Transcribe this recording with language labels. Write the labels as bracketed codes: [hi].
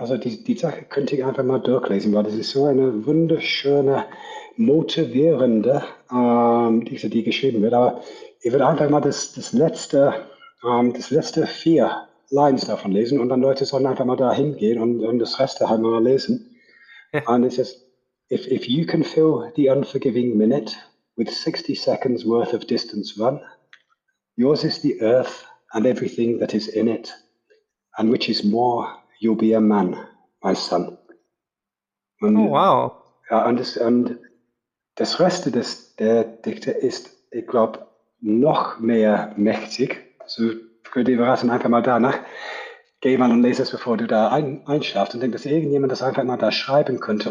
[de] Also die Sache könnte ich einfach mal durchlesen, weil das ist so eine wunderschöne, motivierende Dichte, die geschrieben wird. Aber ich würde einfach mal das letzte 4 Lines davon lesen, und dann Leute sollen einfach mal da hingehen und das Rest halt mal lesen. Ja. Und es ist: [en] if you can fill the unforgiving minute with 60 seconds worth of distance run, yours is the earth and everything that is in it, and which is more, you'll be a man, my son. [de] Und, oh, wow. Ja, und das Rest der Dichte ist, ich glaube, noch mehr mächtig. So, könnt ihr raten, einfach mal danach. Geh mal und lese es, bevor du da einschlafst, und denk, dass irgendjemand das einfach mal da schreiben könnte.